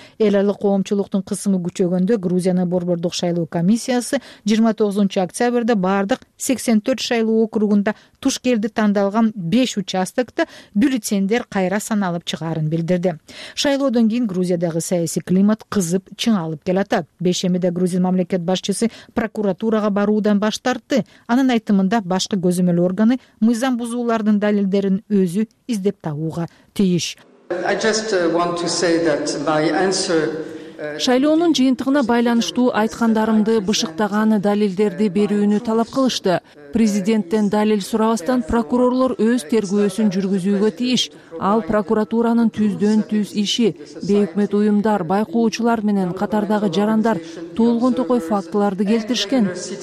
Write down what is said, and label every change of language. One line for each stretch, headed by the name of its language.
Kyrgyz: Эл аралык коомчулуктун кысымы күчөгөндө Грузиянын борбордук шайлоо комиссиясы 29 октябрда баардык 84 шайлоо округунда туш келди тандалган 5 участокто бюллетендер кайра саналып чыгарын билдирди. Шайлоодон кийин Грузиядагы саясий климат кызып чыңалып келатат. Бейшембиде грузин мамлекет башчысы прокуратурага баруудан баш тартты. Анын айтымында башкы көзөмөл органы мыйзам бузуулардын далилдерин өзү издеп табууга тийиш.
English: I just want to say that my answer
Kyrgyz: шайлоонун жыйынтыгына байланыштуу айткандарымды бышыктаган далилдерди берүүнү талап кылышты. Президенттен далил сурабастан прокурорлор өз тергөөсүн жүргүзүүгө тийиш. Ал прокуратуранын түздөн түз иши, бейөкмөт уюмдар, байкоочулар менен катардагы жарандар толгон токой фактыларды келтиришкен.